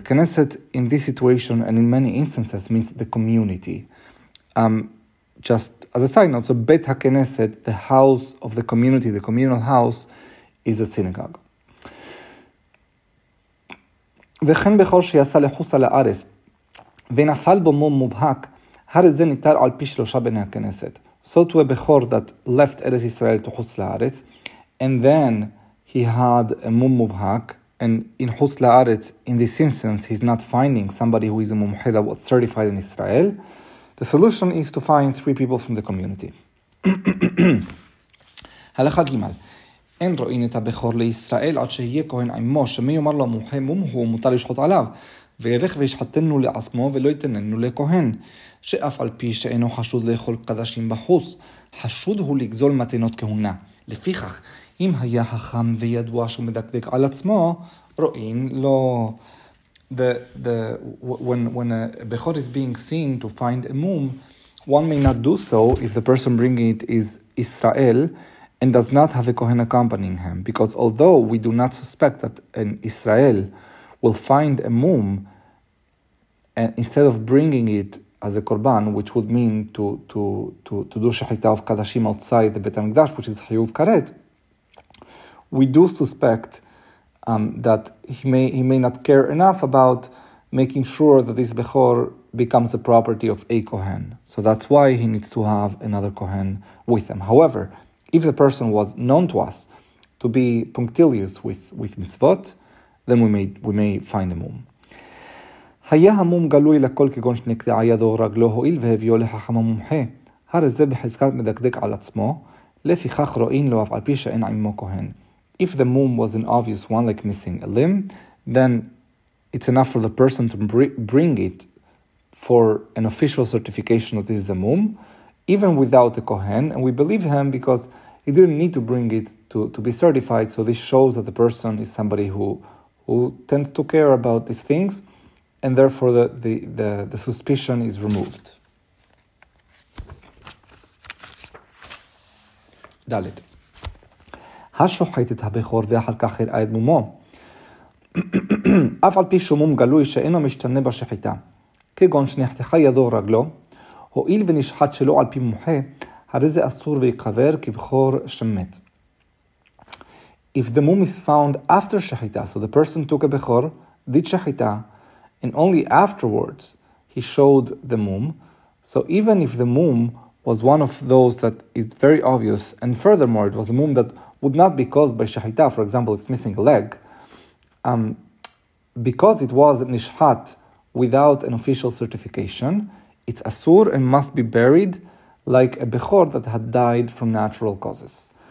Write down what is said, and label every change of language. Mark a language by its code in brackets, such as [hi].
[en] Knesset, in this situation and in many instances, means the community. Just as a side note, so Bet HaKnesset, the house of the community, the communal house, is a synagogue. [he] וכן בכל שיעשה לחוס על הארץ, ונפל בו מום מובהק, הרי זה ניתר על פי שלושה בני הכנסת. [en] So to a Bechor that left Eretz Israel to Chutz La'aretz, and then he had a Mum Muvhak, and in Chutz La'aretz, in this instance, he's not finding somebody who is a Mumche that was certified in Israel. The solution is to find three people from the community. [he] הלכה גימל. אין רואין את הבכור לישראל עד שיהיה כהן עמו, שמי יאמר לו מומחה מומחו מותר לשחוט עליו, וילך וישחטנו לעצמו ולא יתננו לכהן, שאף על פי שאינו חשוד לאכול קדשים בחוס, חשוד הוא לגזול מתנות כהונה. לפיכך, אם היה חכם וידוע שהוא מדקדק על עצמו, רואין לו... [en] When a בכור is being seen to find a mum, one may not do so if the person bringing it is Israel, and does not have a Kohen accompanying him. Because although we do not suspect that an Israel will find a mum, and instead of bringing it as a korban, which would mean to do shechita of kadashim outside the Beit HaMikdash, which is Hayuv Karet, we do suspect that he may not care enough about making sure that this Bechor becomes a property of a Kohen. So that's why he needs to have another Kohen with him. However, if the person was known to us to be punctilious with mitzvot, then we may find a mum. [he] היה המום גלוי לכל כגון שנקטעה ידו רגלו הועיל והביאו לחכם המומחה. הרי זה בחזקת מדקדק על עצמו, לפיכך רואין לו אף על פי שאין עמו כהן. [en] If the mum was an obvious one like missing a limb, then it's enough for the person to bring it for an official certification that this is a mum, even without a Kohen, and we believe him because he didn't need to bring it to be certified, so this shows that the person is somebody who tends to care about these things, and therefore the suspicion is removed. [he] דלת. השוחט את הבכור ואחר כך הראה את מומו. אף על פי שמום גלוי שאינו משתנה בשחיטה, כגון שנחתכה ידו רגלו, הועיל ונשחט שלא על פי מומחה, הרי זה אסור ויקבר כבכור שמת. [en] If the mum is found after shechita, so the person took a bechor, did shechita, and only afterwards he showed the mum, so even if the mum was one of those that is very obvious, and furthermore it was a mum that would not be caused by shechita, for example it's missing a leg, because it was nishat without an official certification, it's asur and must be buried like a bechor that had died from natural causes.